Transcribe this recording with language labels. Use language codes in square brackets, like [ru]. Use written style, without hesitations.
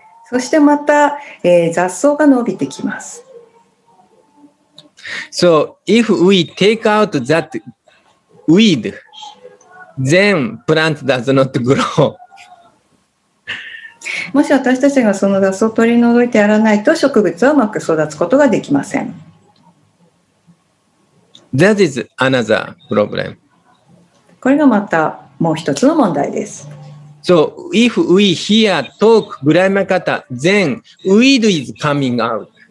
[ja] そしてまた、雑草が伸びてきます。 [en] So, if we take out that weed, then plant does not grow. [ja] もし私たちがその雑草を取り除いてやらないと、植物はうまく育つことができません。 [en] That is another problem. [ja] これがまたもう一つの問題です。 [en] So, if we hear talk, グラマカタ, then weed is coming out.